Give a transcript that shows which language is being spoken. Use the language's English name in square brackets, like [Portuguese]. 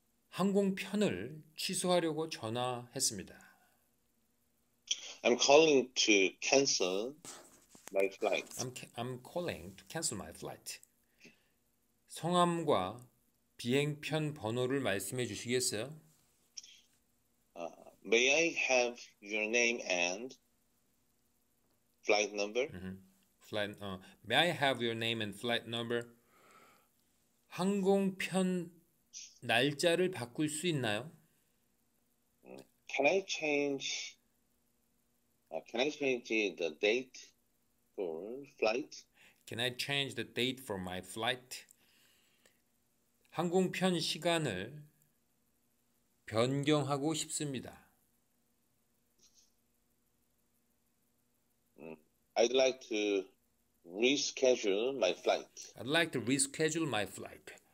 [Korean] 항공편을 취소하려고 전화했습니다. [English] I'm calling to cancel my flight. I'm calling to cancel my flight. [Korean] 성함과 비행편 번호를 말씀해 주시겠어요? [English] May I have your name and flight number? May I have your name and flight number? [Korean] 항공편 날짜를 바꿀 수 있나요? [English] Can I change the date for flight? Can I change the date for my flight? [Korean] 항공편 시간을 변경하고 싶습니다. [English] I'd like to reschedule my flight. I'd like to reschedule my flight.